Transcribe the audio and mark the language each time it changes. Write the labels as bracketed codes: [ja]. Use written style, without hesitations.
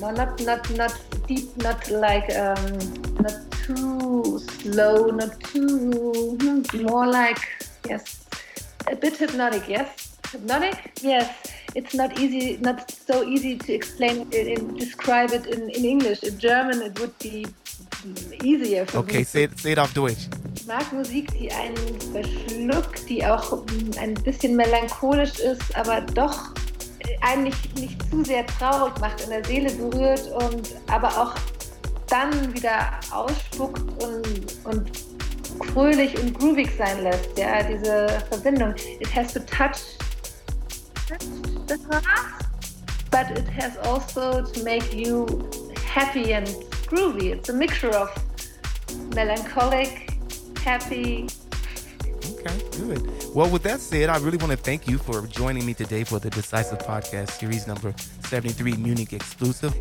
[en] No, not deep, not like not too slow, not too, more like, yes, a bit hypnotic, yes? Hypnotic? Yes. It's not easy, not so easy to explain and describe it in English. In German, it would be easier for okay, me. Okay, say it [de] auf Deutsch. Ich mag Musik, die einen verschluckt, die auch ein bisschen melancholisch ist, aber doch einen nicht zu sehr traurig macht, in der Seele berührt und aber auch dann wieder ausspuckt und fröhlich und groovig sein lässt, ja, diese Verbindung. [en] It has to touch the heart, but it has also to make you happy and groovy. It's a mixture of melancholic, happy, Okay, good. Well, with that said, I really want to thank you for joining me today for the Decisive Podcast Series number 73 Munich Exclusive.